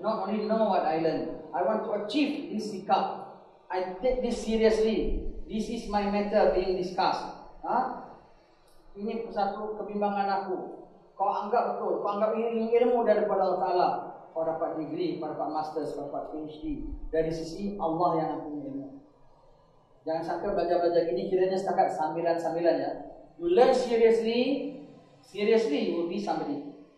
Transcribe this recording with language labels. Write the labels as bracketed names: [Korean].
[English] Not only know what I learn. I want to achieve this sikap. I take this seriously. This is my matter being discussed. Ha? [Malay] Ini satu kebimbangan aku. Kau anggap betul. Kau anggap ini ilmu daripada Allah Ta'ala. Kau dapat degree, kau dapat master, kau dapat PhD. Dari sisi Allah yang aku ilmu. Jangan sangka belajar-belajar gini kiranya setakat sambilan-sambilan ya. [English] You learn seriously, seriously you will be somebody.